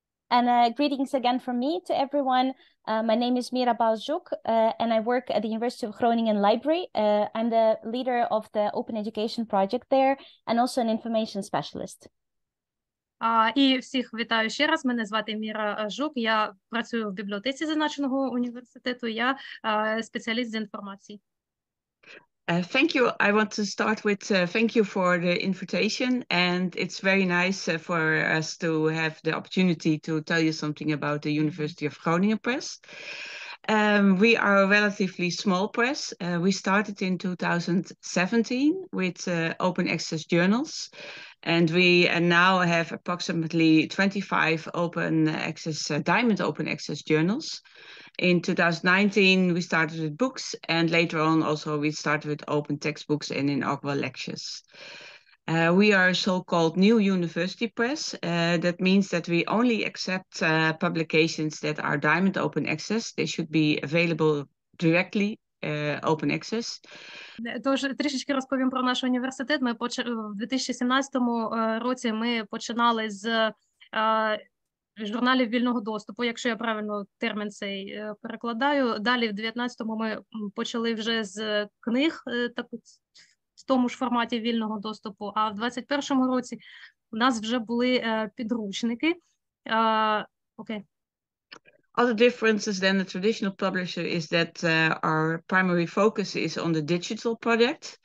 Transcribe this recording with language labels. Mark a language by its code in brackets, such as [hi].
[en] And greetings again from me to everyone. My name is Mira Buist-Zhuk, and I work at the University of Groningen Library. I'm the leader of the Open Education Project there and also an information specialist. [uk] І всіх вітаю ще раз. Мене звати Міра Жук. Я працюю в бібліотеці зазначеного університету. Я спеціаліст з інформації. [en] Thank you. I want to start with thank you for the invitation, and it's very nice for us to have the opportunity to tell you something about the University of Groningen Press. We are a relatively small press. We started in 2017 with open access journals, and we now have approximately 25 open access, diamond open access journals. In 2019, we started with books, and later on also we started with open textbooks and inaugural lectures. We are a so-called new university press. That means that we only accept publications that are diamond open access. They should be available directly open access. [uk] Тож трішечки розповім про наш університет. Ми в 2017 році ми починали з журналів вільного доступу, якщо я правильно термін цей перекладаю. Далі в 2019 ми почали вже з книг таких в тому ж форматі вільного доступу, а в 21-му році у нас вже були підручники. Окей. [en] Other differences than the traditional publisher is that our primary focus is on the digital product.